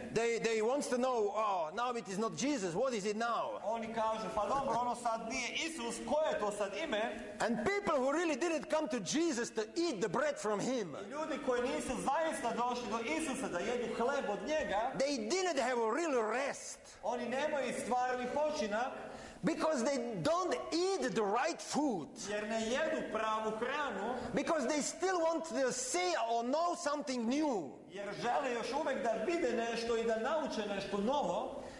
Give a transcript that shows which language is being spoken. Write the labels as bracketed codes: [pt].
[en] They want to know, oh, now it is not Jesus, what is it now? [sr] Oni kažu, pa dobro, ono sad nije Isus, ko je to sad ime? [en] And people who really didn't come to Jesus to eat the bread from him. [sr] I ljudi koji nisu zaista došli do Isusa da jedu hleb od njega. [en] They didn't have a real rest. [sr] Oni nemaju stvarni počinak. [en] Because they don't eat the right food. [sr] Jer ne jedu pravu hranu. [en] Because they still want to see or know something new. [sr] Jer žele još uvek da vide nešto i da nauče nešto novo.